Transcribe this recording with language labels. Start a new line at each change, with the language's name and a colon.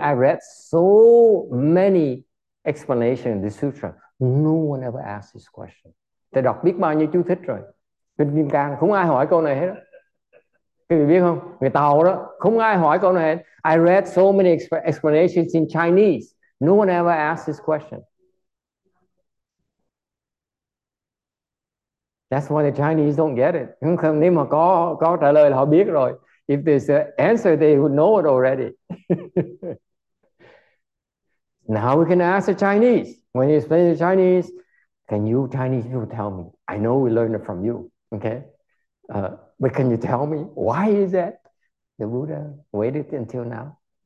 English: I read so many explanations in the sutra. No one ever asked this question.
Vietnamese: Thầy đọc biết bao nhiêu chú thích rồi. Kinh Kim Cang không ai hỏi câu này hết. Các vị biết không? Người Tàu đó không ai hỏi câu này hết.
English: I read so many explanations in Chinese. No one ever asked this question. That's why the Chinese don't get it.
Vietnamese: Nếu mà có trả lời là họ biết rồi.
English: If there's an answer, they would know it already. Now we can ask the Chinese. When you explain the Chinese, can you Chinese people tell me? I know we learned it from you, okay? But can you tell me why is that the Buddha waited until now?